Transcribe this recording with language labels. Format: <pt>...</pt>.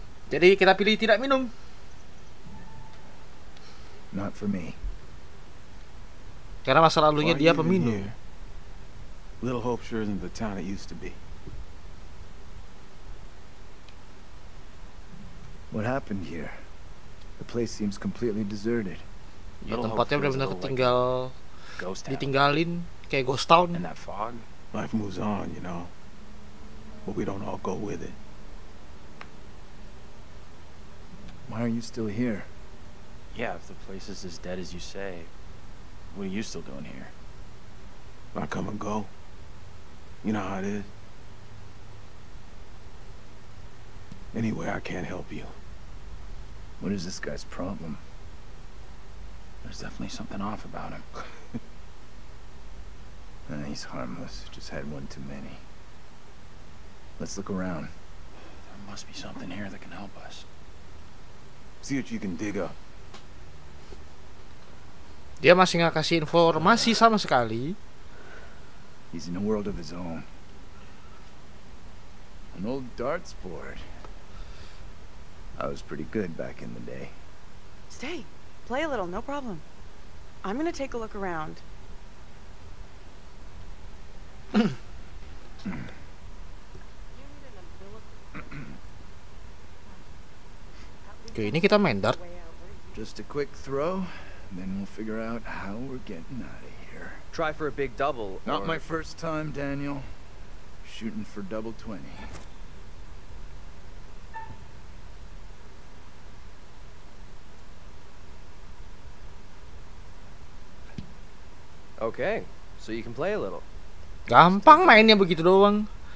<id>Jadi kita pilih tidak minum.</id> <en>Not for me.</en> <id>Karena masa lalunya dia peminum.</id> <en>Here? Little hope sure isn't the town it used to be. What happened here? The place seems completely deserted.</en> <id>Ya, tempatnya benar-benar ketinggal,</id> <en>like</en> <id>ditinggalin. Kayak</id> <en>ghost town. And that fog. Life moves on, you know. But we don't all go with it. Why are you still here? Yeah, if the place is as dead as you say, what are you still doing here? I come and go. You know how it is. Anyway, I can't help you. What is this guy's problem? There's definitely something off about him. He's harmless, just had one too many. Let's look around. There must be something here that can help us. See what you can dig up.</en> <id>Dia masih enggak kasih informasi sama sekali.</id> <en>He's in a world of his own. An old darts board. I was pretty good back in the day. Stay. Play a little, no problem. I'm gonna take a look around.</en> <id>Oke, ini kita main dart.</id> <en>Just a quick throw, then we'll figure out how we're getting out of here. Try for a big double. Not my first time, Daniel. Shooting for double 20. Okay, so you can play a little.</en> <id>Gampang mainnya begitu doang.</id>